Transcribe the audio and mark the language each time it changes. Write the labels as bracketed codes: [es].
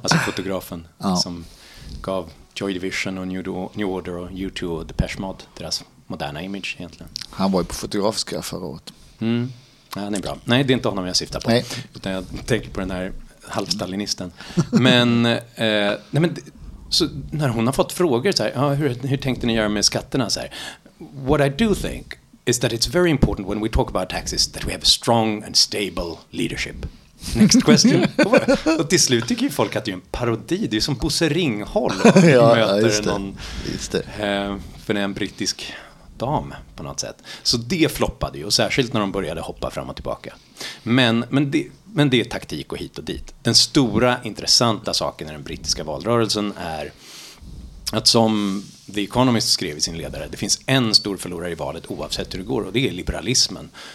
[sv] Alltså fotografen, ja, som gav Joy Division och New Order och U2 och Depeche Mode, deras moderna image egentligen. Han var ju på fotografiska förra året. Mm. Nej, det är bra. Nej, det är inte honom jag syftar på. Nej. Utan jag tänker på den här halvstalinisten. Men, nej, men så när hon har fått frågor så här, hur tänkte ni göra med skatterna? Så här, [en] what I do think is that it's very important when we talk about taxes that we have a strong and stable leadership. Next question. [sv] Och till slut tycker ju folk att det är en parodi. Det är som Bosse Ringholm ja, möter just det. Någon just det. För det är en brittisk dam på något sätt. Så det floppade ju, och särskilt när de började hoppa fram och tillbaka. Men det är taktik och hit och dit. Den stora intressanta saken i den brittiska valrörelsen är att, som The Economist skrev i sin ledare, det finns en stor förlorare i valet oavsett hur det går, och det är liberalismen.